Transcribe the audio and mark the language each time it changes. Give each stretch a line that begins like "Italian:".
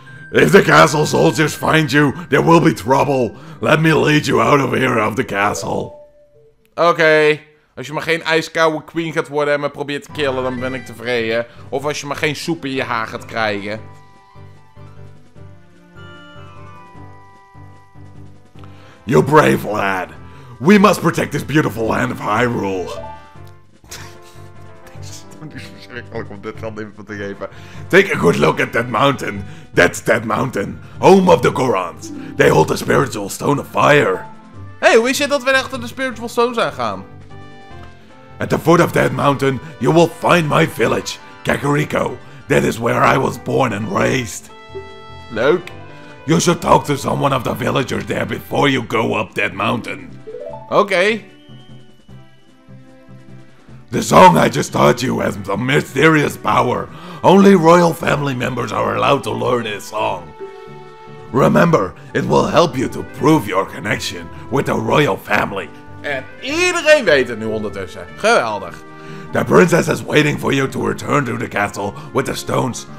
English: If the castle soldiers find you, there will be trouble. Let me lead you out of here of the castle.
Dutch: Oké. Als je maar geen ijskoude queen gaat worden en me probeert te killen, dan ben ik tevreden. Of als je maar geen soep in je haar gaat krijgen.
English: You brave lad. We must protect this beautiful land of Hyrule.
Dutch: Dit is niet verschrikkelijk om dit geld even te geven.
English: Take a good look at that mountain. That's that mountain. Home of the Gorons. They hold the spiritual stone of fire.
Dutch: Hey, hoe is het dat we echt naar de spiritual stone zijn gaan?
English: At the foot of that mountain, you will find my village, Kakariko. That is where I was born and raised.
Dutch: Leuk.
English: You should talk to someone of the villagers there before you go up that mountain. Okay. The song I just taught you has a mysterious power. Only royal family members are allowed to learn this song. Remember, it will help you to prove your connection with the royal family.
Dutch: En iedereen weet het nu ondertussen. Geweldig.
English: The princess is waiting for you to return to the castle with the stones.